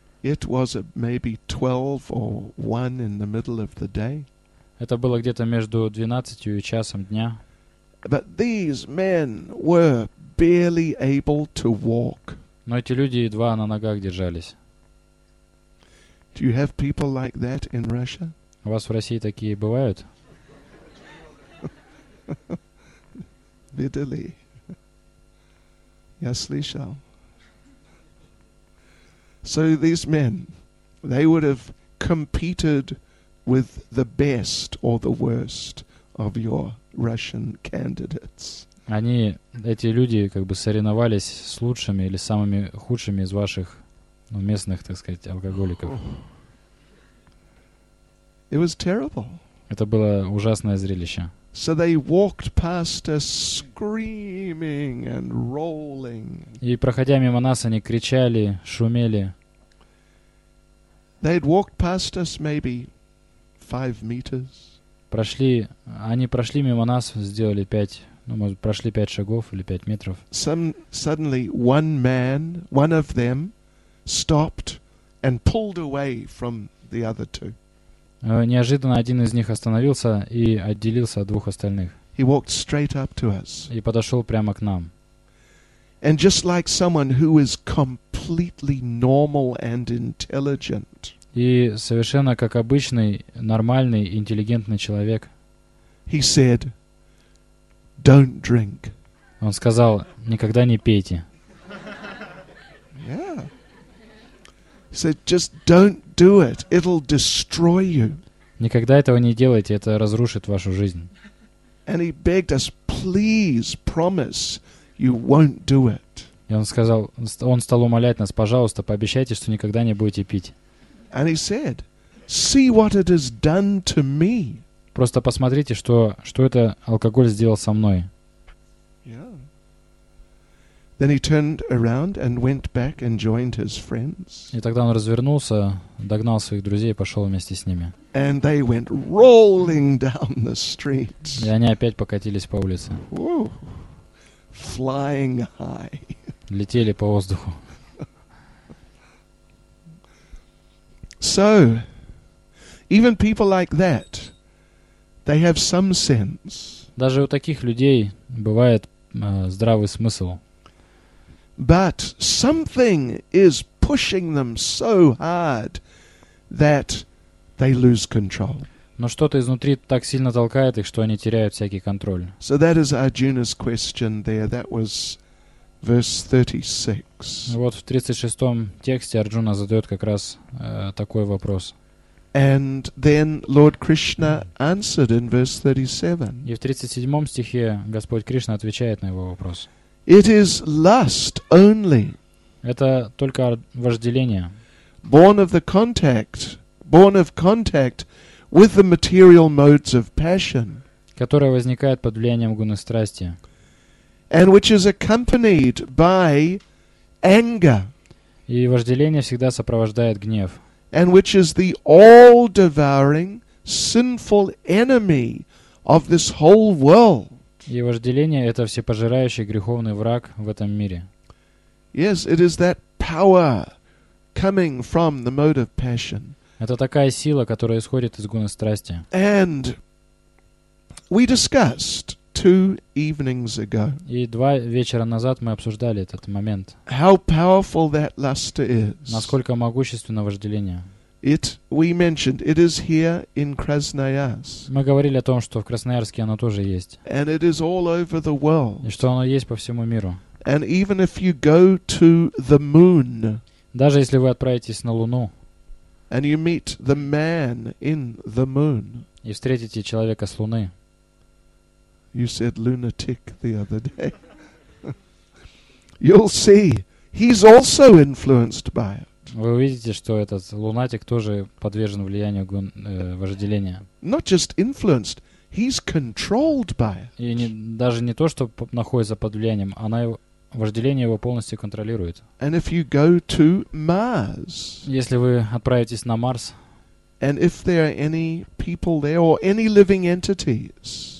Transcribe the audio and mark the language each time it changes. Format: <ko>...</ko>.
<en>It was maybe 12 or 1 in the middle of the day.</en> <ru>Это было где-то между 12 и часом дня.</ru> <en>But these men were barely able to walk.</en> <ru>Но эти люди едва на ногах держались.</ru> <en>Do you have people like that in Russia?</en> <ru>У вас в России такие бывают? Видели. Я слышал.</ru> <en>So these men, they would have competed with the best or the worst of your Russian candidates.</en> <ru>Они, эти люди, как бы соревновались с лучшими или самыми худшими из ваших, ну, местных, так сказать, алкоголиков.</ru> <en>It was terrible.</en> <ru>Это было ужасное зрелище.</ru> <en>So they walked past us screaming and rolling.</en> <ru>И проходя мимо нас, они кричали, шумели.</ru> <en>They'd walked past us maybe 5 meters.</en> <ru>Они прошли мимо нас, сделали прошли 5 шагов или 5 метров.</ru> <en>Suddenly one man, one of them, stopped and pulled away from the other two.</en> <ru>Неожиданно один из них остановился и отделился от двух остальных.</ru> <en>He walked straight up to us.</en> <ru>И подошел прямо к нам.</ru> <en>And just like someone who is completely normal and intelligent.</en> <ru>И совершенно как обычный, нормальный, интеллигентный человек.</ru> <en>He said, "Don't drink."</en> <ru>Он сказал, никогда не пейте.</ru> <en>Yeah. He said, "Just don't do it. It'll destroy you."</en> <ru>Никогда этого не делайте, это разрушит вашу жизнь.</ru> <en>And he begged us, "Please promise you won't do it."</en> <ru>И он сказал, он стал умолять нас, пожалуйста, пообещайте, что никогда не будете пить.</ru> <en>And he said, "See what it has done to me."</en> <ru>Просто посмотрите, что это алкоголь сделал со мной.</ru> <en>Yeah. Then he turned around and went back and joined his friends.</en> <ru>И тогда он развернулся, догнал своих друзей и пошел вместе с ними.</ru> <en>And they went rolling down the street.</en> <ru>И они опять покатились по улице.</ru> <en>Ooh. Flying high.</en> <ru>Летели по воздуху.</ru> <en>So, even people like that, they have some sense.</en> <ru>Даже у таких людей бывает здравый смысл.</ru> <en>But something is pushing them so hard that they lose control.</en> <ru>Но что-то изнутри так сильно толкает их, что они теряют всякий контроль.</ru> <en>So that is Arjuna's question there. That was verse 36.</en> <ru>Вот в 36-м тексте Арджуна задает как раз такой вопрос.</ru> <en>And then Lord Krishna answered in verse 37.</en> <ru>И в 37-м стихе Господь Кришна отвечает на его вопрос.</ru> <en>It is lust only.</en> <ru>Это только вожделение.</ru> <en>Born of contact with the material modes of passion.</en> <ru>Которое возникает под влиянием гуны страсти.</ru> <en>And which is accompanied by anger.</en> <ru>И вожделение всегда сопровождает гнев.</ru> <en>And which is the all-devouring, sinful enemy of this whole world.</en> <ru>И вожделение — это всепожирающий греховный враг в этом мире.</ru> <en>Yes, it is that power coming from the mode of passion.</en> <ru>Это такая сила, которая исходит из гуны страсти.</ru> <en>And we discussed two evenings ago.</en> <ru>И два вечера назад мы обсуждали этот момент.</ru> <en>How powerful that lust is.</en> <ru>Насколько могущественно вожделение.</ru> <en>It we mentioned it is here in Krasnoyarsk.</en> <ru>Мы говорили о том, что в Красноярске оно тоже есть.</ru> <en>And it is all over the world.</en> <ru>И что оно есть по всему миру.</ru> <en>And even if you go to the moon.</en> <ru>Даже если вы отправитесь на Луну.</ru> <en>And you meet the man in the moon.</en> <ru>И встретите человека с Луны.</ru> <en>You said lunatic the other day. You'll see he's also influenced by it.</en> <ru>Вы увидите, что этот лунатик тоже подвержен влиянию вожделения.</ru> <en>Not just influenced, he's controlled by it.</en> <ru>И даже не то, что находится под влиянием, она его, вожделение его полностью контролирует.</ru> <en>And if you go to Mars,</en> <ru>если вы отправитесь на Марс,</ru> <en>and if there are any people there or any living entities,</en>